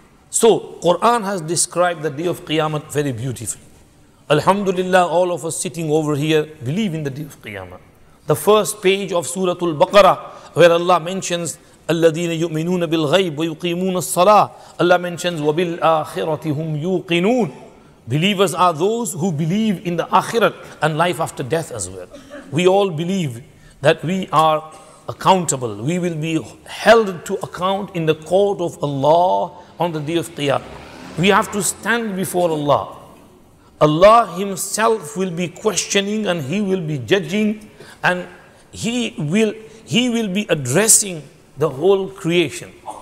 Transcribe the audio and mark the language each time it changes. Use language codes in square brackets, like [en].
[en] So, Quran has described the day of Qiyamah very beautifully. Alhamdulillah, all of us sitting over here believe in the day of Qiyamah. The first page of Surah Al-Baqarah, where Allah mentions, [ar] الَّذِينَ يُؤْمِنُونَ بِالْغَيْبِ وَيُقِيمُونَ الصَّلَاةِ. [en] Allah mentions, [ar] وَبِالْآخِرَةِ هُمْ يُوقِنُونَ. [en] Believers are those who believe in the akhirat and life after death as well. We all believe that we are accountable. We will be held to account in the court of Allah on the day of Qiyamah. We have to stand before Allah. Allah Himself will be questioning and He will be judging, and He will be addressing the whole creation.